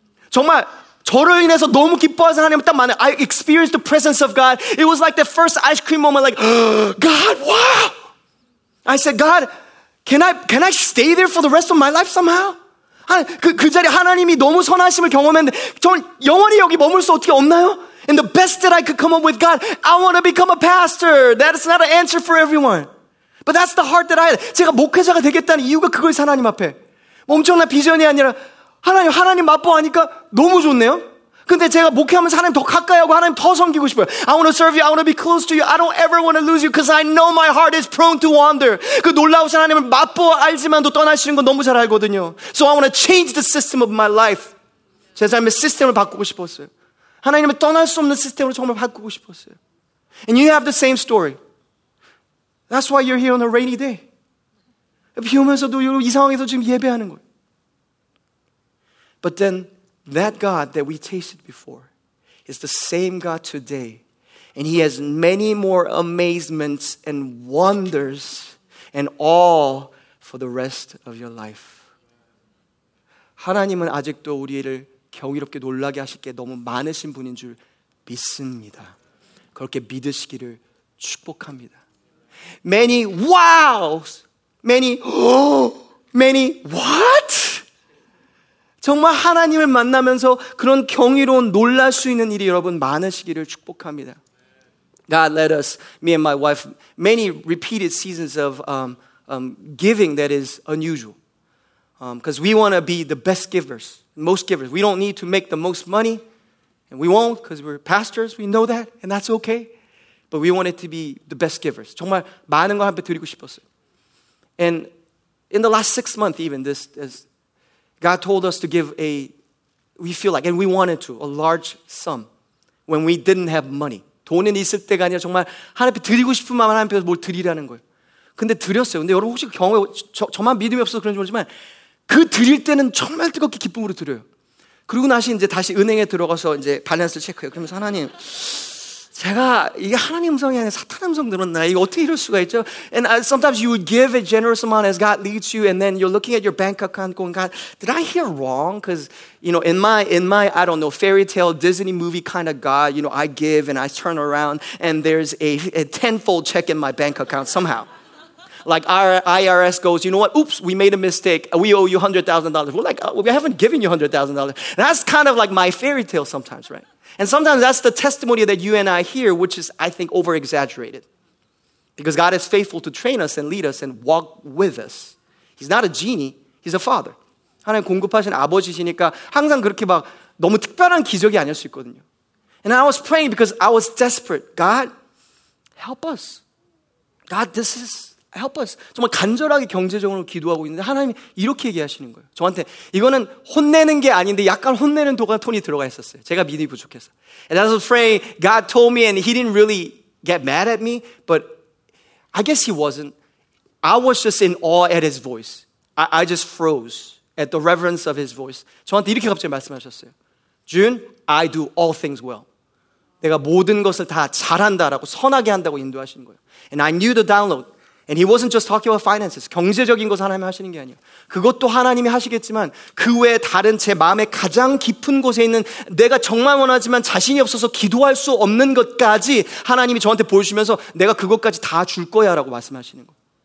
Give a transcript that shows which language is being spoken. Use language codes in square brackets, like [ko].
[ko] 정말 저를 인해서 너무 기뻐하신 하나님 딱 많아요. [en] I experienced the presence of God. It was like the first ice cream moment. Like, God, wow! I said, God, can I stay there for the rest of my life somehow? [ko] 그 자리 하나님이 너무 선하심을 경험했는데 전 영원히 여기 머물 수 어떻게 없나요? [en] And the best that I could come up with, God, I want to become a pastor. That is not an answer for everyone. But that's the heart that I had. [ko] 제가 목회자가 되겠다는 이유가 그거예요, 하나님 앞에. 뭐 엄청난 비전이 아니라 하나님 맛보하니까 너무 좋네요. 근데 제가 목회하면서 하나님 더 가까이 하고 하나님 더 섬기고 싶어요. [en] I want to serve you. I want to be close to you. I don't ever want to lose you because I know my heart is prone to wander. [ko] 그 놀라우신 하나님을 맛보아 알지만도 떠나시는 거 너무 잘 알거든요. [en] So I want to change the system of my life. [ko] 제 삶의 시스템을 바꾸고 싶었어요. 하나님을 떠날 수 없는 시스템으로 정말 바꾸고 싶었어요. [en] And you have the same story. That's why you're here on a rainy day. [ko] 비 오면서도 이 상황에서 지금 예배하는 거예요. [en] But then that God that we tasted before is the same God today. And he has many more amazements and wonders and awe for the rest of your life. [ko] 하나님은 아직도 우리를 경이롭게 놀라게 하실 게 너무 많으신 분인 줄 믿습니다. 그렇게 믿으시기를 축복합니다. [en] Many wows. Many, oh, many what? [ko] 정말 하나님을 만나면서 그런 경이로운 놀랄 수 있는 일이 여러분 많으시기를 축복합니다. [en] God led us, me and my wife, many repeated seasons of giving that is unusual. Because we want to be the best givers, most givers. We don't need to make the most money. And we won't because we're pastors. We know that. And that's okay. But we want it to be the best givers. [ko] 정말 많은 걸 함께 드리고 싶었어요. [en] And in the last 6 months even, this God told us to give a, we feel like, and we wanted to, a large sum when we didn't have money. [ko] 돈은 있을 때가 아니라 정말 하나님께 드리고 싶은 마음을 하나님께 뭘 드리라는 거예요. 근데 드렸어요. 근데 여러분 혹시 경험, 저만 믿음이 없어서 그런지 모르지만 그 드릴 때는 정말 뜨겁게 기쁨으로 드려요. 그러고 나서 이제 다시 은행에 들어가서 이제 밸런스를 체크해요. 그러면서 하나님, 제가 이게 하나님 음성이 아니라 사탄 음성 들었나? 이거 어떻게 이럴 수가 있죠? [en] And sometimes you would give a generous amount as God leads you and then you're looking at your bank account going, God, did I hear wrong? Because, you know, in my, I don't know, fairy tale, Disney movie kind of God, you know, I give and I turn around and there's a tenfold check in my bank account somehow. Like our IRS goes, you know what? Oops, we made a mistake. We owe you $100,000. We're like, oh, we haven't given you $100,000. That's kind of like my fairy tale sometimes, right? And sometimes that's the testimony that you and I hear, which is, I think, over-exaggerated. Because God is faithful to train us and lead us and walk with us. He's not a genie. He's a father. [ko] 하나님 공급하신 아버지시니까 항상 그렇게 막 너무 특별한 기적이 아닐 수 있거든요. [en] And I was praying because I was desperate. God, help us. God, this is, help us. [ko] 정말 간절하게 경제적으로 기도하고 있는데 하나님이 이렇게 얘기하시는 거예요. 저한테 이거는 혼내는 게 아닌데 약간 혼내는 톤이 들어가 있었어요. 제가 믿음이 부족해서. [en] And I was afraid God told me and he didn't really get mad at me, but I guess he wasn't. I was just in awe at his voice. I just froze at the reverence of his voice. [ko] 저한테 이렇게 갑자기 말씀하셨어요. [en] June, I do all things well. [ko] 내가 모든 것을 다 잘한다라고 선하게 한다고 인도하시는 거예요. [en] And I knew the download. And he wasn't just talking about finances. [ko] 경제적인 것을 하나님이 하시는 게 아니에요. 그것도 하나님이 하시겠지만 그 외에 다른 제 마음의 가장 깊은 곳에 있는 내가 정말 원하지만 자신이 없어서 기도할 수 없는 것까지 하나님이 저한테 보여주시면서 내가 그것까지 다 줄 거야 라고 말씀하시는 거.